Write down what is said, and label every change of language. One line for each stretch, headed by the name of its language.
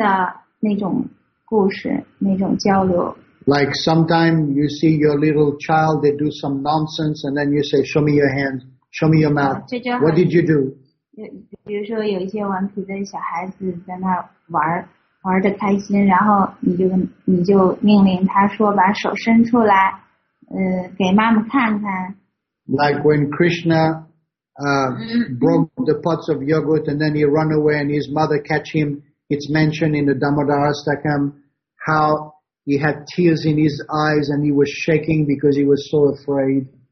Chinese: 这个就是很小的那些小孩，他们跟家里人之间的那种故事，那种交流。
English: Like sometimes you see your little child, they do some nonsense, and then you say, "Show me your hands, show me your mouth. What did you do?"
Chinese: 比如说有一些顽皮的小孩子在那玩。玩得开心，然后你就命令他说把手伸出来，给妈妈看看。
English: Like when Krishna broke the pots of yogurt and then he run away and his mother catch him, it's mentioned in the Damodarastakam how he had tears in his eyes and he was shaking because he was so afraid.